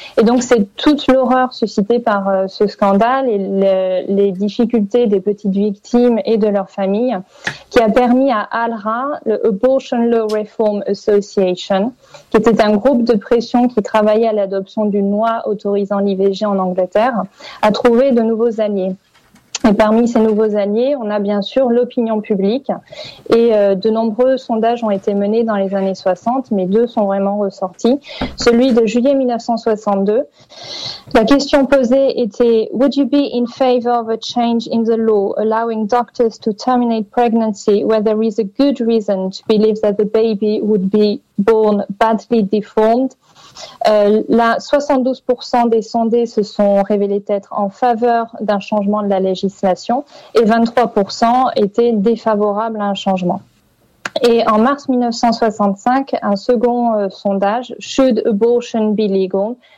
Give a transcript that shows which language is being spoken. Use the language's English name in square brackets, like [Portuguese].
[French] Et donc, c'est toute l'horreur suscitée par ce scandale et les difficultés des petites victimes et de leurs familles qui a permis à ALRA, le Abortion Law Reform Association, qui était un groupe de pression qui travaillait à l'adoption d'une loi autorisant l'IVG en Angleterre, a trouvé de nouveaux alliés. Et parmi ces nouveaux alliés, on a bien sûr l'opinion publique. Et de nombreux sondages ont été menés dans les années 60, mais deux sont vraiment ressortis. Celui de juillet 1962. La question posée était [English] « Would you be in favor of a change in the law allowing doctors to terminate pregnancy where there is a good reason to believe that the baby would be born badly deformed ?» [French] Là, 72% des sondés se sont révélés être en faveur d'un changement de la législation et 23% étaient défavorables à un changement. Et en mars 1965, un second sondage, « [English] Should abortion be legal ?»